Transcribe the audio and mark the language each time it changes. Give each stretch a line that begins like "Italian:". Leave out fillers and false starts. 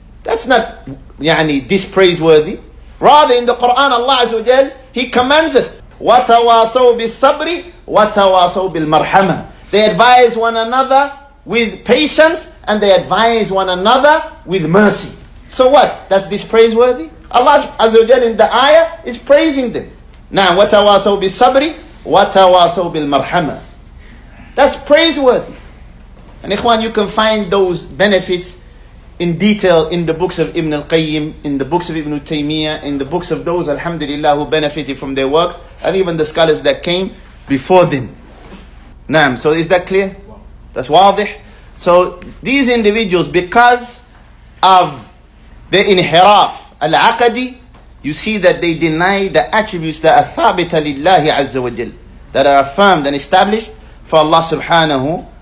English: That's not يعني, dispraiseworthy. Rather, in the Quran, Allah Azza wa Jal, He commands us,
Arabic: وَتَوَاصَوْ بِالصَّبْرِ وَتَوَاصَوْ بِالْمَرْحَمَةِ.
English: They advise one another with patience, and they advise one another with mercy. So what? That's dispraiseworthy? Allah Azza wa Jal in the ayah is praising them.
Arabic: Now, وَتَوَاصَوْ بِالصَّبْرِ وَتَوَاصَوْ بِالْمَرْحَمَةِ.
English: That's praiseworthy. And Ikhwan, you can find those benefits in detail in the books of Ibn al-Qayyim, in the books of Ibn Taymiyyah, in the books of those, alhamdulillah, who benefited from their works, and even the scholars that came before them. Naam, so is that clear? That's wadih. So these individuals, because of the inhiraf al-aqadi, you see that they deny the attributes that are thabita lillahi azza wa jal, that are affirmed and established for Allah subhanahu